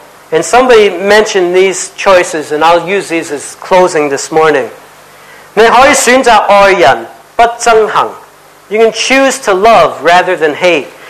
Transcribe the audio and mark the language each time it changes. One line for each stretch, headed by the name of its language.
English: and somebody mentioned these choices, and I'll use these as closing this morning.
Chinese: 你可以选择爱人，不憎恨。
English: You can choose to love rather than hate.